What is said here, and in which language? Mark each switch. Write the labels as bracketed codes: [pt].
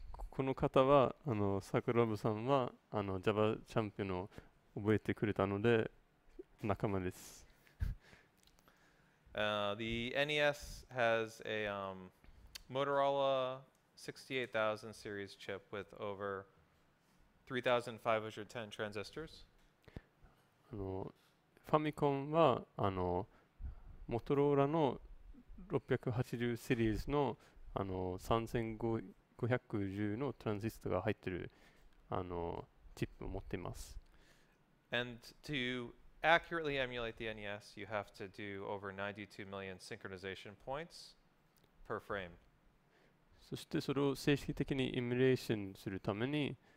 [ja] この方は、サクラブさんは、Java チャンピオンを覚えてくれたので、仲間です。 [en] The NES has a Motorola 68000 series chip with over 3510 transistors. [ja] ファミコンは、モトローラの680シリーズの、3510のトランジスタが入ってるチップを持っています。 [en] And to accurately emulate the NES, you have to do over 92 million synchronization points per frame. [ja] そしてそれを正式的にエミュレーションするために、